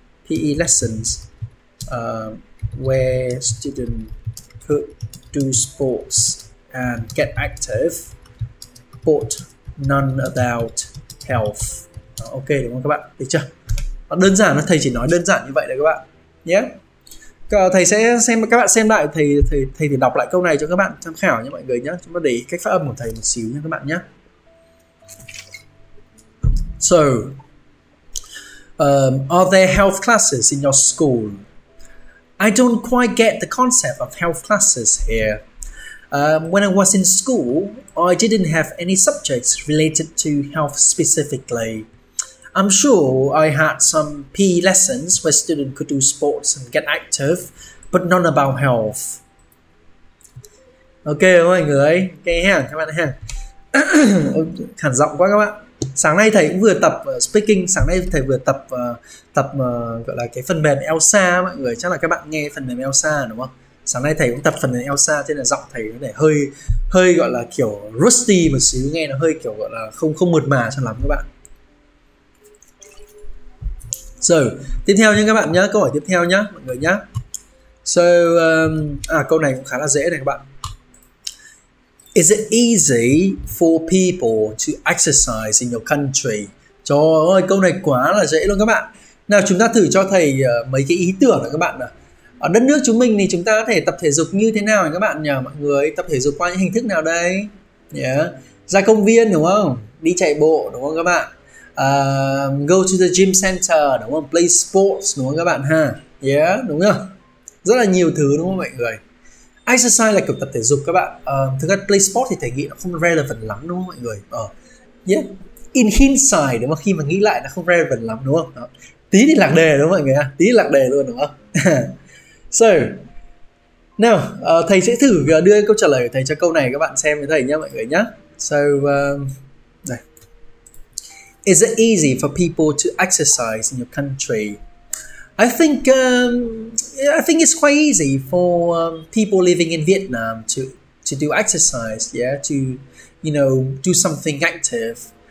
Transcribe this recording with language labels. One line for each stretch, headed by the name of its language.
English: PE lessons where students could do sports and get active, but none about health.
Vietnamese: Ok đúng không các bạn? Được chưa? Đơn giản là thầy chỉ nói đơn giản như vậy đấy các bạn. Yeah. Thầy sẽ xem các bạn xem lại, thầy thì đọc lại câu này cho các bạn tham khảo nha mọi người nhé. Chúng ta để ý cách phát âm của thầy một xíu nha các bạn nhé.
English: So, are there health classes in your school? I don't quite get the concept of health classes here. When I was in school, I didn't have any subjects related to health specifically. I'm sure I had some PE lessons where students could do sports and get active, but none about health.
Vietnamese: Ok mọi người, nghe hả các bạn hả? Khàn giọng quá các bạn. Sáng nay thầy cũng vừa tập speaking, sáng nay thầy vừa tập gọi là cái phần mềm ELSA mọi người. Chắc là các bạn nghe phần mềm ELSA đúng không? Sáng nay thầy cũng tập phần mềm ELSA, thế là giọng thầy có thể hơi gọi là kiểu rusty một xíu, nghe nó hơi kiểu gọi là không mượt mà cho lắm các bạn. So, tiếp theo nha các bạn nhé, câu hỏi tiếp theo nhé mọi người nhé. So, câu này cũng khá là dễ này các bạn.
English: Is it easy for people to exercise in your country?
Vietnamese: Trời ơi, câu này quá là dễ luôn các bạn. Nào, chúng ta thử cho thầy mấy cái ý tưởng này các bạn nào. Ở đất nước chúng mình thì chúng ta có thể tập thể dục như thế nào các bạn nhờ mọi người? Tập thể dục qua những hình thức nào đây? Yeah. Ra công viên đúng không? Đi chạy bộ đúng không các bạn?
English: Go to the gym center
Vietnamese: đúng không?
English: Play sports
Vietnamese: đúng không các bạn ha? Yeah, đúng không? Rất là nhiều thứ đúng không mọi người? Exercise là kiểu tập thể dục các bạn. Thực ra play sport thì thầy nghĩ nó không relevant lắm đúng không mọi người? Yeah.
English: In hindsight
Vietnamese: đúng không? Khi mà nghĩ lại nó không relevant lắm đúng không? Tí thì lạc đề đúng không mọi người ạ? Tí lạc đề luôn đúng không?
English: So, now,
Vietnamese: thầy sẽ thử đưa câu trả lời của thầy cho câu này các bạn xem với thầy nhé mọi người nhé. So, đây.
English: Is it easy for people to exercise in your country? I think it's quite easy for people living in Vietnam to do exercise, yeah, to do something active.